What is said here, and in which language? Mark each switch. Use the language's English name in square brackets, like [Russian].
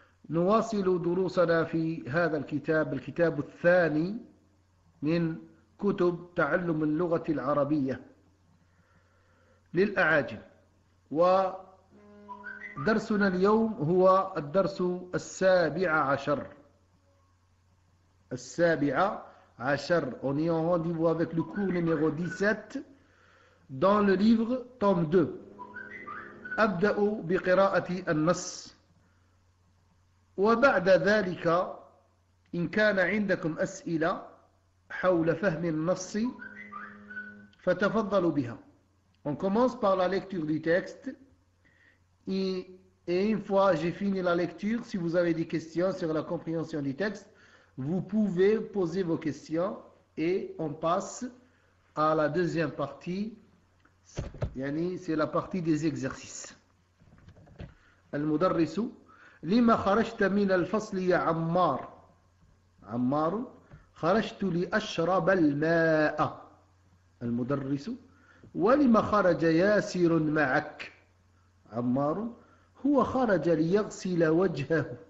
[Arabic] نواصل دروسنا في هذا الكتاب، الكتاب الثاني من كتب تعلم اللغة العربية للأعاجم، و درسنا اليوم هو الدرس السابع عشر. السابع عشر. [French] On est en rendez-vous avec le cours numéro 17 dans le livre tome 2. [Arabic] أبدأ بقراءة النص. وبعد ذلك إن كان عندكم أسئلة حول فهم النص فتفضلوا بها. [French] On commence par la lecture du texte. Et une fois j'ai fini la lecture, si vous avez des questions sur la compréhension du texte, vous pouvez poser vos questions et on passe à la deuxième partie. Yani, c'est la partie des exercices. [Arabic] المدرس لما خرجت من الفصل يا عمار. عمار خرجت لأشرب الماء. المدرس ولما خرج ياسر معك. عمار هو خرج ليغسل وجهه.